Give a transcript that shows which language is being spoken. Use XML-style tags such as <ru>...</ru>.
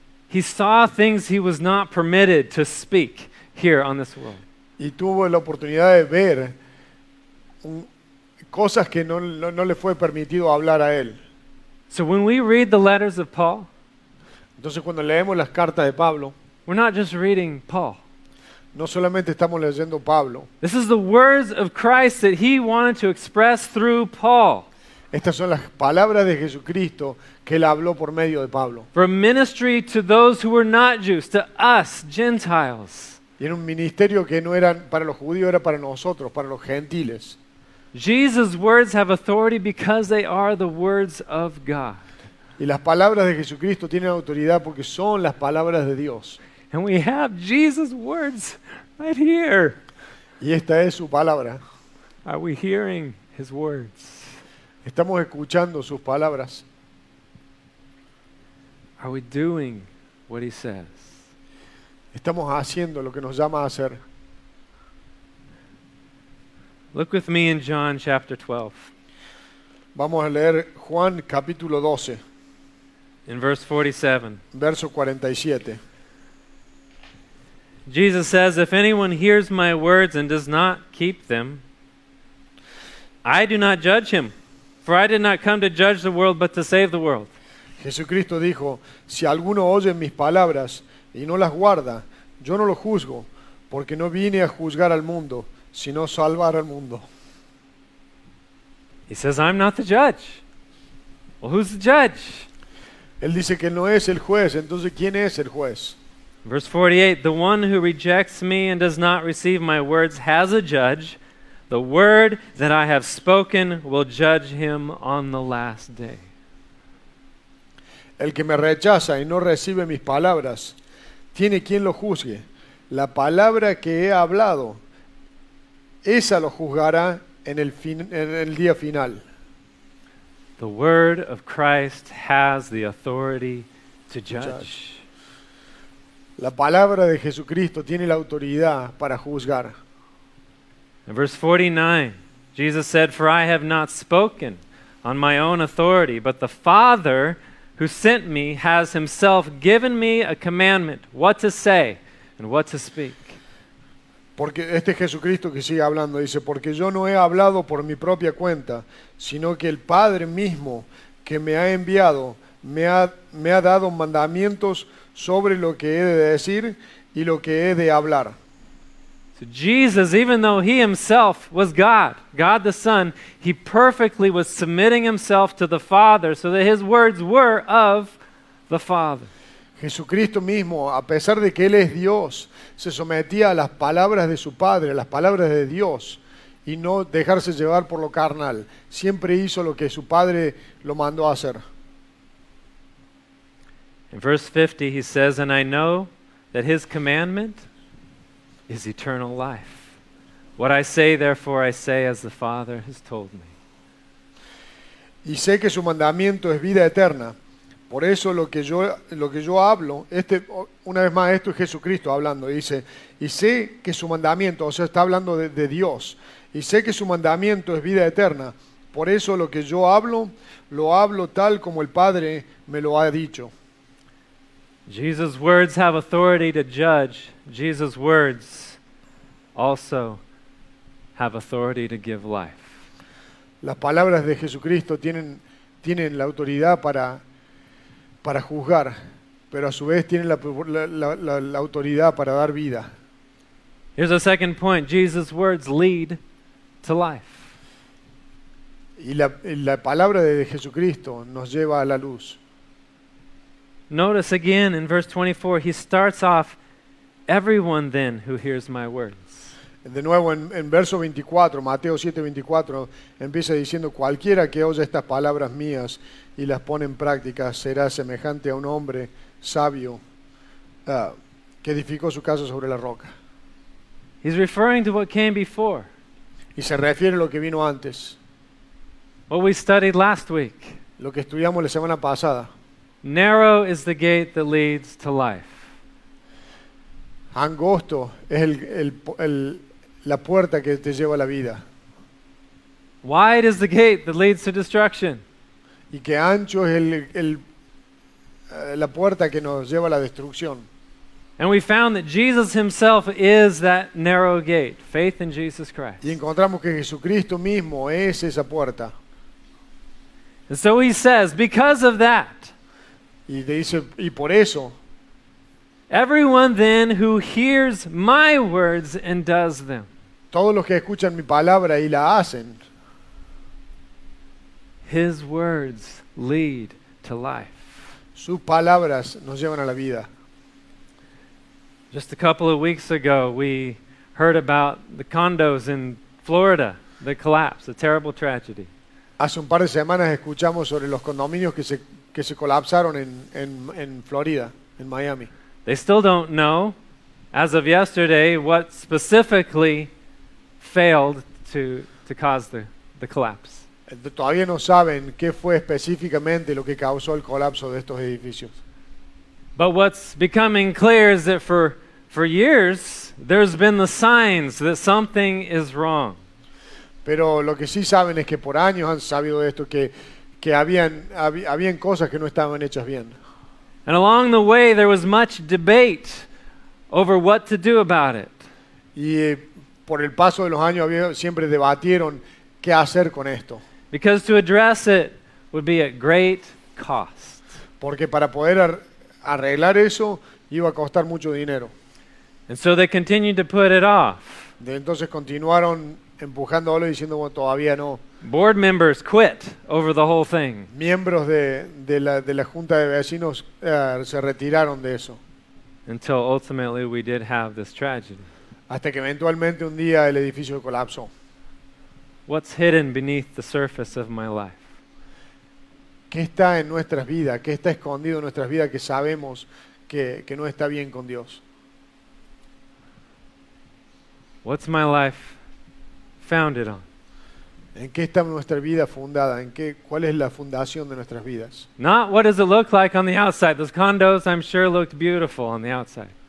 <en>He saw things he was not permitted to speak here on this world.</en> <es>Y tuvo la oportunidad de ver cosas que no le fue permitido hablar a él.</es> <en>So when we read the letters of Paul,</en> <es>entonces cuando leemos las cartas de Pablo,</es> <en>we're not just reading Paul.</en> <es>No solamente estamos leyendo Pablo.</es> <en>This is the words of Christ that he wanted to express through Paul.</en> <es>Estas son las palabras de Jesucristo que él habló por medio de Pablo.</es> <en>For ministry to those who were not Jews, to us Gentiles.</en> <es>Y era un ministerio que no era para los judíos, era para nosotros, para los gentiles.</es> <en>Jesus' words have authority because they are the words of God.</en> <es>Y las palabras de Jesucristo tienen autoridad porque son las palabras de Dios.</es> <en>And we have Jesus' words right here.</en> <es>Y esta es su palabra.</es> <en>Are we hearing his words?</en> <es>¿Estamos escuchando sus palabras?</es> <en>Are we doing what he says?</en> <es>¿Estamos haciendo lo que nos llama a hacer?</es> <en>Look with me in John chapter 12.</en> <es>Vamos a leer Juan capítulo 12.</es> <en>In verse 47.</en> <es>Verso 47.</es> <en>Jesus says, "If anyone hears my words and does not keep them, I do not judge him, for I did not come to judge the world but to save the world."</en> <es>Jesucristo dijo, "Si alguno oye mis palabras y no las guarda, yo no lo juzgo, porque no vine a juzgar al mundo, sino salvar al mundo."</es> <en>He says, "I'm not the judge." Well, who's the judge?</en> <es>Él dice que no es el juez. Entonces, ¿quién es el juez?</es> <en>Verse 48, "The one who rejects me and does not receive my words has a judge. The word that I have spoken will judge him on the last day."</en> <es>El que me rechaza y no recibe mis palabras tiene quien lo juzgue. La palabra que he hablado, esa lo juzgará en el día final.</es> <en>The word of Christ has the authority to judge.</en> <es>La palabra de Jesucristo tiene la autoridad para juzgar.</es> <en>In verse 49, Jesus said, "For I have not spoken on my own authority, but the Father who sent me has himself given me a commandment what to say and what to speak."</en> <es>Porque este Jesucristo que sigue hablando dice, "Porque yo no he hablado por mi propia cuenta, sino que el Padre mismo que me ha enviado me ha dado mandamientos sobre lo que he de decir y lo que he de hablar."</es> <en>So Jesus, even though he himself was God, God the Son, he perfectly was submitting himself to the Father so that his words were of the Father.</en> <es>Jesucristo mismo, a pesar de que Él es Dios, se sometía a las palabras de su Padre, a las palabras de Dios, y no dejarse llevar por lo carnal. Siempre hizo lo que su Padre lo mandó a hacer.</es> <en>In verse 50, he says, "And I know that his commandment is eternal life. What I say, therefore, I say as the Father has told me."</en> <es>Y sé que su mandamiento es vida eterna. Por eso lo que yo hablo, una vez más, esto es Jesucristo hablando, dice, y sé que su mandamiento, o sea, está hablando de Dios, y sé que su mandamiento es vida eterna, por eso lo que yo hablo, lo hablo tal como el Padre me lo ha dicho.</es> <en>Jesus' words have authority to judge. Jesus' words also have authority to give life.</en> <es>Las palabras de Jesucristo tienen la autoridad para juzgar, pero a su vez tiene la autoridad para dar vida.</es> <en>Here's a second point. Jesus' words lead to life.</en> <es>Y la palabra de Jesucristo nos lleva a la luz.</es> <en>Notice again in verse 24, he starts off, "Everyone then who hears my words."</en> <es>De nuevo en verso 24, Mateo 7, 24, empieza diciendo, cualquiera que oye estas palabras mías y las pone en práctica será semejante a un hombre sabio que edificó su casa sobre la roca.</es> <en>He's referring to what came before.</en> <es>Y se refiere a lo que vino antes.</es> <en>What we studied last week.</en> <es>Lo que estudiamos la semana pasada.</es> <en>Narrow is the gate that leads to life.</en> <es>Angosto es la puerta que te lleva a la vida.</es> <en>Wide is the gate that leads to destruction.</en> <es>Y que ancho es la puerta que nos lleva a la destrucción.</es> <en>And we found that Jesus himself is that narrow gate, faith in Jesus Christ.</en> <es>Y encontramos que Jesucristo mismo es esa puerta.</es> <en>And so he says, because of that,</en> <es>y dice, y por eso,</es> <en>everyone then who hears my words and does them,</en> <es>todos los que escuchan mi palabra y la hacen,</es> <en>his words lead to life.</en> <es>Sus palabras nos llevan a la vida.</es> <en>Just a couple of weeks ago, we heard about the condos in Florida that collapsed, a terrible tragedy.</en> <es>Hace un par de semanas escuchamos sobre los condominios que se colapsaron en Florida, en Miami.</es> <en>They still don't know, as of yesterday, what specifically failed to cause the collapse.</en> <es>Todavía no saben qué fue específicamente lo que causó el colapso de estos edificios.</es> <en>But what's becoming clear is that for years, there's been the signs that something is wrong.</en> <es>Pero lo que sí saben es que por años han sabido esto, que habían cosas que no estaban hechas bien.</es> <en>And along the way, there was much debate over what to do about it.</en> <es>Y por el paso de los años siempre debatieron qué hacer con esto.</es> <en>Because to address it would be at great cost.</en> <es>Porque para poder arreglar eso iba a costar mucho dinero.</es> <en>And so they continued to put it off.</en> <es>De entonces continuaron empujándolo y diciendo, bueno, todavía no.</es> <en>Board members quit over the whole thing.</en> <es>Miembros de la junta de vecinos se retiraron de eso.</es> <en>Until ultimately we did have this tragedy.</en> <es>Hasta que eventualmente un día el edificio colapsó.</es> <en>What's hidden beneath the surface of my life?</en> <es>¿Qué está en nuestras vidas? ¿Qué está escondido en nuestras vidas que sabemos que no está bien con Dios?</es> <en>What's my life founded on?</en> <es>¿En qué está nuestra vida fundada? ¿En qué, cuál es la fundación de nuestras vidas?</es> <en>Not what does it look like on the outside. Those condos, I'm sure, looked beautiful on the outside.</en>